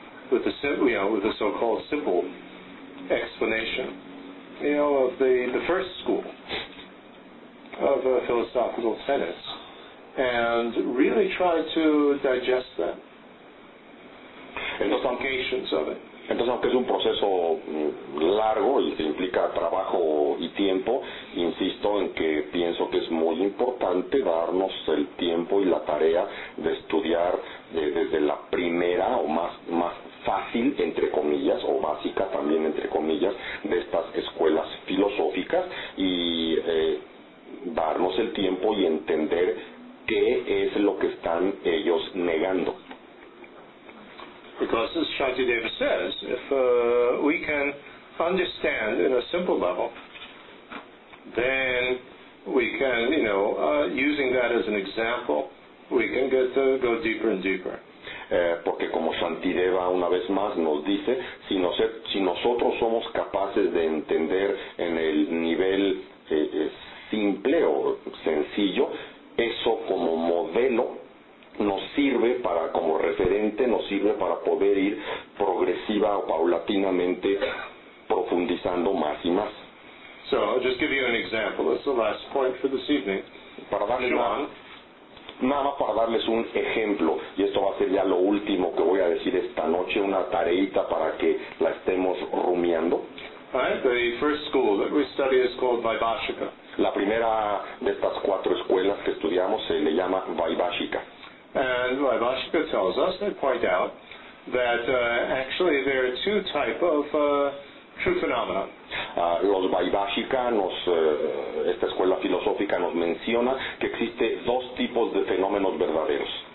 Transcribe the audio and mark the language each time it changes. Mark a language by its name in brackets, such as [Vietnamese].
[English] with the simple, you know, with the so-called simple explanation, you know, of the first school of philosophical tenets, and really try to digest that. [Spanish] Entonces, [English] the implications of it. [Spanish] Entonces, aunque es un proceso largo y que implica trabajo y tiempo, insisto en que pienso que es muy importante darnos el tiempo y la tarea de estudiar desde la primera o más fácil, entre comillas, o básica también, entre comillas, de estas escuelas filosóficas y darnos el tiempo y entender qué es lo que están ellos negando. [English] Because as Shantideva says, if we can understand in a simple level, then we can, you know, using that as an example, we can get to go deeper and deeper. [Spanish] Porque como Shantideva una vez más nos dice, si nosotros somos capaces de entender en el nivel simple o sencillo, eso como modelo nos sirve para, como referente, nos sirve para poder ir progresiva o paulatinamente profundizando más y más. [English] So, I'll just give you an example. That's the last point for this evening. [Spanish] Para darle nada más para darles un ejemplo, y esto va a ser ya lo último que voy a decir esta noche, una tareita para que la estemos rumiando. [English] Right, the first school that we study is called Vaibhashika. [Spanish] La primera de estas cuatro escuelas que estudiamos se le llama Vaibhashika. [English] And Vaibhashika tells us, they point out, that actually there are two types of true phenomena. [Spanish] Los Vaibhashika, esta escuela filosófica nos menciona que existe dos tipos de fenómenos verdaderos.